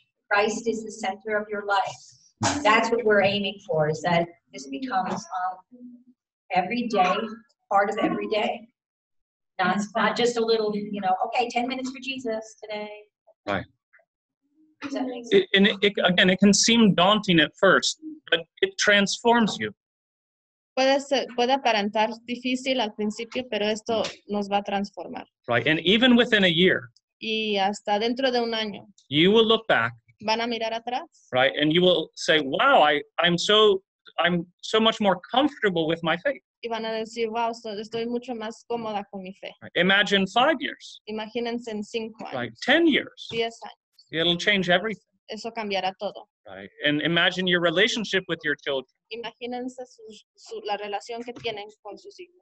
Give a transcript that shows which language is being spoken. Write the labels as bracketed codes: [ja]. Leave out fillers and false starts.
[en] Christ is the center of your life. That's what we're aiming for, is that this becomes every day, part of every day. Not just a little, you know, okay, 10 minutes for Jesus today. Right. Does that make sense? And it can seem daunting at first, but it transforms you. [es] Puede aparentar difícil al principio, pero esto nos va a transformar. [en] Right, and even within a year. [es] Y hasta dentro de un año. [en] You will look back. [es] Van a mirar atrás. [en] Right, and you will say, wow, I'm so much more comfortable with my faith. [es] Y van a decir, wow, estoy mucho más cómoda con mi fe. [en] Right. Imagine 5 years. [es] Imagínense en 5 años. [en] Right. 10 years. [es] 10 años. [en] It'll change everything. [es] Eso cambiará todo. [en] Right. And imagine your relationship with your children. [es] Imagínense la relación que tienen con sus hijos.